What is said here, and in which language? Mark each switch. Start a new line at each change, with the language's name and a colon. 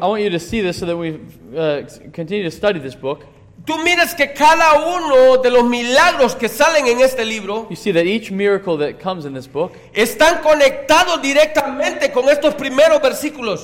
English: I want you to see this so that we continue to study this book.
Spanish: Tú miras que cada uno de los milagros que salen en este libro,
English: you see that each miracle that comes in this book,
Spanish: están conectados directamente con estos primeros versículos.